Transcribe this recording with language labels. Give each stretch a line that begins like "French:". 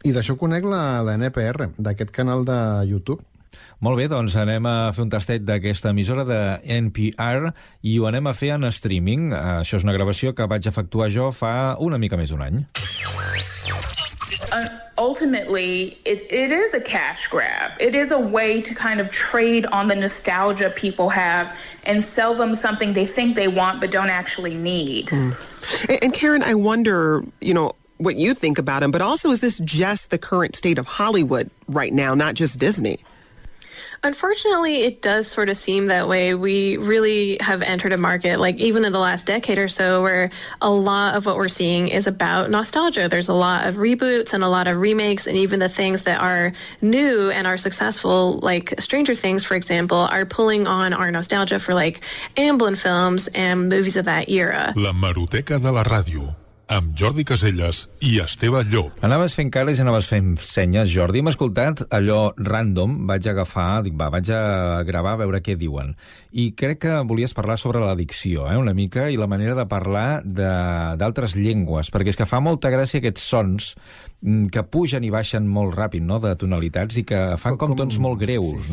Catalan: I d'això conec la NPR, d'aquest canal de YouTube. Molt bé, doncs anem a fer un tastet d'aquesta emissora de NPR i ho anem a fer en streaming. Això és una gravació que vaig efectuar jo fa una mica més d'un any.
English: Ultimately, it is a cash grab. It is a way to kind of trade on the nostalgia people have and sell them something they think they want but don't actually need. And Karen, I wonder, you know, what you think about him, but also is this just the current state of Hollywood right now, not just Disney? Unfortunately, it does sort of seem that way. We really have entered a market, like even in the last decade or so, where a lot of what we're seeing is about nostalgia. There's a lot of reboots and a lot of remakes, and even the things that are new and are successful, like Stranger Things, for example, are pulling on our nostalgia for like Amblin films and movies of that era.
Catalan: La Maroteca de la Ràdio, amb Jordi Caselles i Esteve Llop. Anaves fent cares i anaves fent senyes, Jordi. M'ha escoltat allò random, vaig agafar, dic, va, vaig a gravar a veure què diuen. I crec que volies parlar sobre l'addicció, una mica, i la manera de parlar d'altres llengües, perquè és que fa molta gràcia aquests sons que pugen i baixen molt ràpid, no?, de tonalitats, i que fan com tons molt greus,